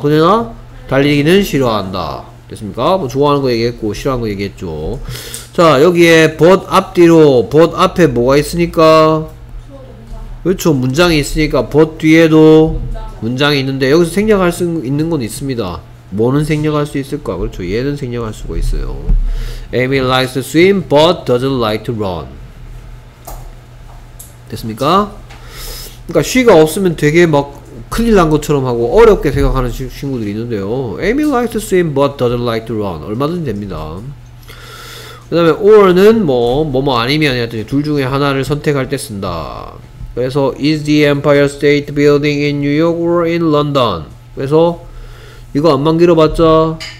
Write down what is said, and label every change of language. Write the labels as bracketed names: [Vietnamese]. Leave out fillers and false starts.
[Korean] 그녀나 달리기는 싫어한다. 됐습니까? 뭐 좋아하는 거 얘기했고 싫어하는 거 얘기했죠. 자, 여기에 but 앞뒤로 but 앞에 뭐가 있으니까 그렇죠. 문장이 있으니까 but 뒤에도 문장이 있는데 여기서 생략할 수 있는 건 있습니다. 뭐는 생략할 수 있을까? 그렇죠. 얘는 생략할 수가 있어요. [English] Amy likes to swim, but doesn't like to run. [Korean] 됐습니까? 그러니까 she가 없으면 되게 막 큰일 난 것처럼 하고 어렵게 생각하는 친구들이 있는데요. [English] Amy likes to swim, but doesn't like to run. [Korean] 얼마든지 됩니다. 그 다음에 or는 뭐 아니면 이랬더니 둘 중에 하나를 선택할 때 쓴다. 그래서 [English] is the Empire State Building in New York or in London? [Korean] 그래서 이거 안만 길어봤자